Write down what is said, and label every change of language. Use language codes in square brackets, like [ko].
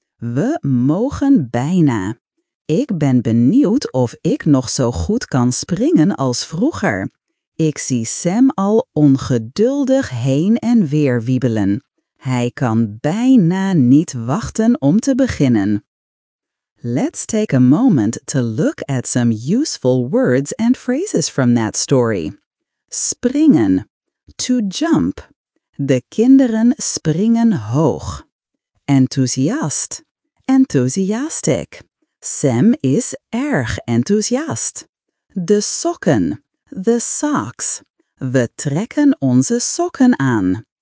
[nl] We mogen bijna. Ik ben benieuwd of ik nog zo goed kan springen als vroeger. Ik zie Sam al ongeduldig heen en weer wiebelen. Hij kan bijna niet wachten om te beginnen. [en] Let's take a moment to look at some useful words and phrases from that story. Springen. To jump. [nl] De kinderen springen hoog. Enthousiast. Enthusiastic. Sam is erg enthousiast. De sokken. [en] The socks. [nl] We trekken onze sokken aan.